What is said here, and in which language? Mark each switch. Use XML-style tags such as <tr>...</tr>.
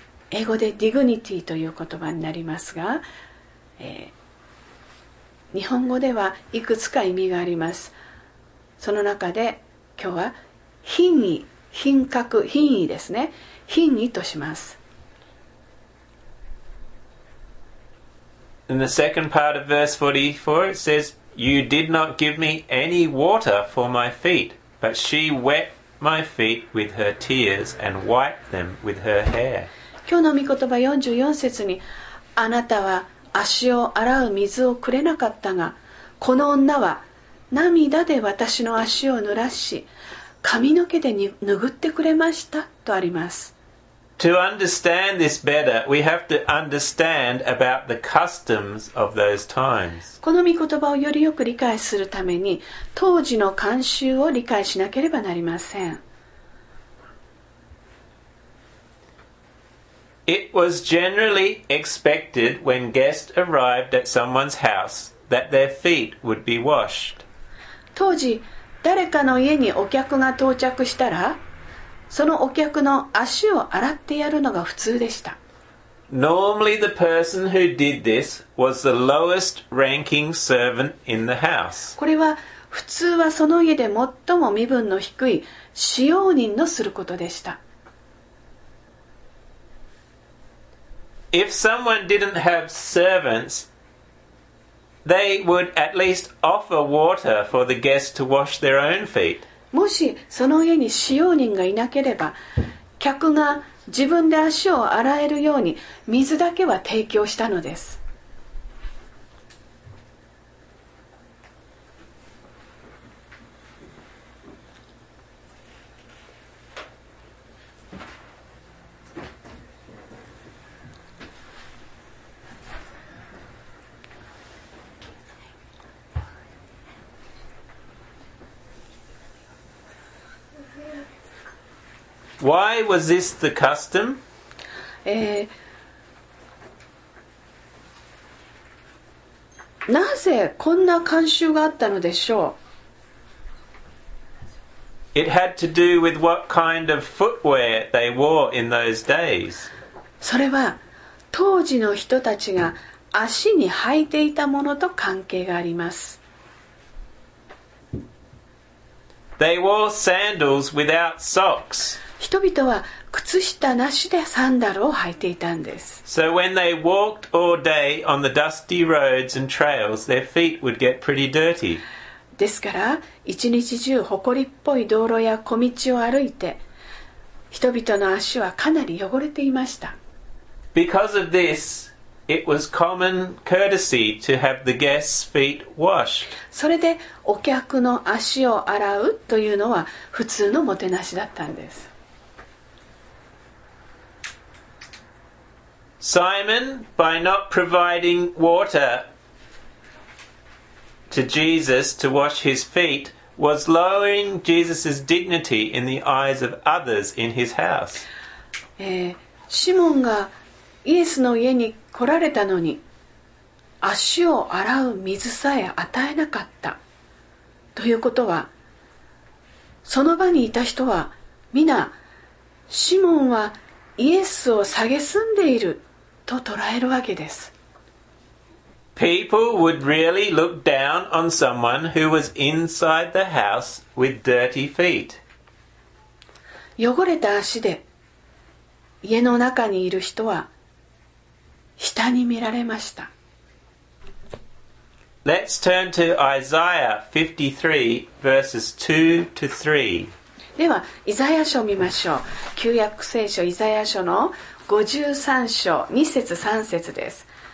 <ja>英語で dignity という言葉になりますが、日本語ではいくつか意味があります。その中で今日は品位、品格、品位ですね。品位とします。</ja> <en>In the second part of verse 44, it says, You did not give me any water for my feet. But she wet my feet with her tears and wiped them with her hair.</en> <ja>今日の御言葉44節に、あなたは足を洗う水をくれなかったが、この女は涙で私の足を濡らし、髪の毛で拭ってくれましたとあります。</ja> <en>To understand this better, we have to understand about the customs of those times.</en> <ja>この御言葉をよりよく理解するために、当時の慣習を理解しなければなりません。</ja> <en>It was generally expected when guests arrived at someone's house that their feet would be washed.</en> <ja>当時、誰かの家にお客が到着したら、そのお客の足を洗ってやるのが普通でした。</ja> <en>Normally the person who did this was the lowest ranking servant in the house.</en> <ja>これは普通はその家で最も身分の低い使用人のすることでした。</ja> <en>If someone didn't have servants, they would at least offer water for the guests to wash their own feet.</en> <ja>もしその家に使用人がいなければ、客が自分で足を洗えるように水だけは提供したのです。</ja> <en>Why was this the custom?</en> <ja>なぜこんな慣習があったのでしょう?</ja> <en>It had to do with what kind of footwear they wore in those days.</en> <ja>それは当時の人たちが足に履いていたものと関係があります。</ja> <en>They wore sandals without socks.</en> <ja>人々は靴下なしでサンダルを履いていたんです。</ja> <en>So when they walked all day on the dusty roads and trails, their feet would get pretty dirty.</en> <ja>ですから、一日中ほこりっぽい道路や小道を歩いて、人々の足はかなり汚れていました。</ja> <en>Because of this, it was common courtesy to have the guests' feet washed.</en> <ja>それでお客の足を洗うというのは普通のもてなしだったんです。</ja> <en>Simon, by not providing water to Jesus to wash his feet, was lowering Jesus' dignity in the eyes of others in his house.</en> <ja>シモンがイエスの家に来られたのに、足を洗う水さえ与えなかった。ということは、その場にいた人は、みな、シモンはイエスを下げすんでいる。と捉えるわけです。</ja> <en>People would really look down on someone who was inside the house with dirty feet.</en> <ja>汚れた足で家の中にいる人は下に見られました。</ja> <en>Let's turn to Isaiah 53 verses 2 to 3.</en> <ja>では、イザヤ書を見ましょう。旧約聖書イザヤ書の53章2節3節です。</ja>